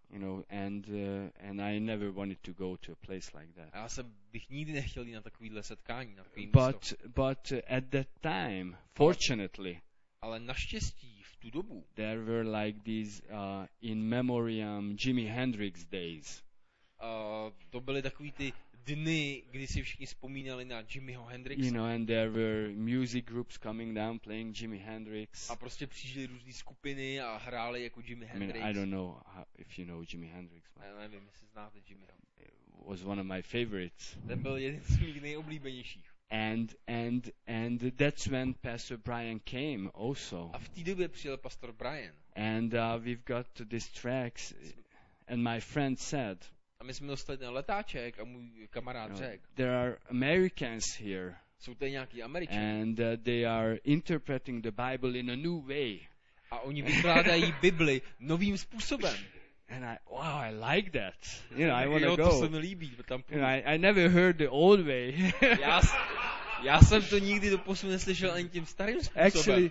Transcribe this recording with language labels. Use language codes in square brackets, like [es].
[en] You know, and I never wanted to go to a place like that. [cs] Já jsem bych nikdy nechtěl jít na takovýhle setkání, na takový místo. [en] But at that time, fortunately. [cs] Ale naštěstí v tu dobu. [en] There were like these in memoriam Jimi Hendrix days. [cs] To byly takový ty dny, kdy si všichni vzpomínali na Jimiho Hendrixa. [en] You know, and there were music groups coming down playing Jimi Hendrix. [cs] A prostě přijížděly různé skupiny a hrály jako Jimi Hendrix. [en] I mean, I don't know if you know Jimi Hendrix. [cs] Já nevím, jestli znáte Jimiho. [en] Was one of my favorites. [cs] Ten byl jeden z mých nejoblíbenějších. [en] And that's when Pastor Brian came also. [cs] A v té době přijel Pastor Brian. [en] And we've got these tracks, and my friend said. [cs] A my jsme dostali ten letáček a můj kamarád řekl. [en] There are Americans here. [cs] Jsou tady nějaký Američané. [en] And they are interpreting the Bible in a new way. [cs] A oni vykládají Bibli novým způsobem. [en] And I like that. You know, I want to go. [cs] Jo, to se mi líbí. Tam [en] you know, I never heard the old way. [cs] já jsem to nikdy doposud neslyšel ani tím starým způsobem.